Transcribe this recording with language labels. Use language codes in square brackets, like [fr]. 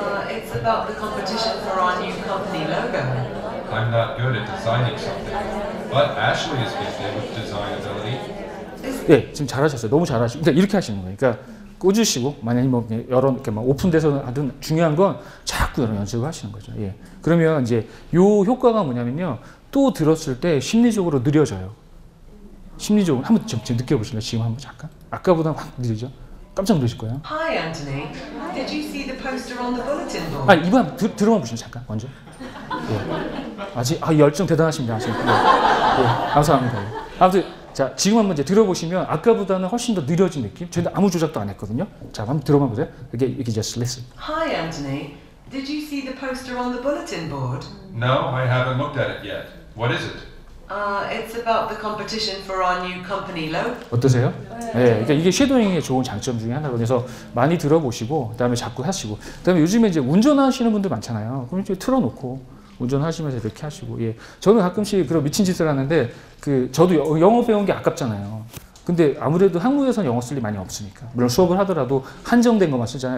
[en] It's about the competition for our new company logo. I'm not good at designing something, but Ashley is gifted with design ability. [ko] 예, 지금 잘하셨어요. 너무 잘하시고 그러니까 이렇게 하시는 거예요. 그러니까 꽂으시고 만약에 뭐 여러 이렇게 막 오픈돼서 하든 중요한 건 자꾸 여러 연습을 하시는 거죠. 예. 그러면 이제 요 효과가 뭐냐면요. 또 들었을 때 심리적으로 느려져요. 심리적으로 한번 지금 느껴보실래요? 지금 한번 잠깐? 아까보다 확 느리죠? 깜짝 놀라실 거예요. [en] Hi, Anthony. Did you see the poster on the bulletin board? [ko] 아니, 이번 들어만 보시죠, 잠깐, 먼저. 예. 아직, 아, 열정 대단하십니다, 지금. 예. 예. 감사합니다. 아무튼, 자, 지금 한번 이제 들어보시면 아까보다는 훨씬 더 느려진 느낌? 저희는 아무 조작도 안 했거든요. 자, 한번 들어만 보세요. 이게 [en] just listen. Hi, Anthony. Did you see the poster on the bulletin board? No, I haven't looked at it yet. What is it? It's about the competition for our new company logo. [ko] 어떠세요? 네. 네. 그러니까 이게 쉐도잉의 좋은 장점 중에 하나거든요. 그래서 많이 들어보시고, 그다음에 자꾸 하시고, 그다음에 요즘에 이제 운전하시는 분들 많잖아요. 그럼 이제 틀어놓고 운전하시면서 이렇게 하시고, 예. 저는 가끔씩 그런 미친 짓을 하는데, 저도 영어 배운 게 아깝잖아요. 근데 아무래도 한국에서는 영어 쓸 일이 많이 없으니까. 물론 수업을 하더라도 한정된 것만 쓰잖아요.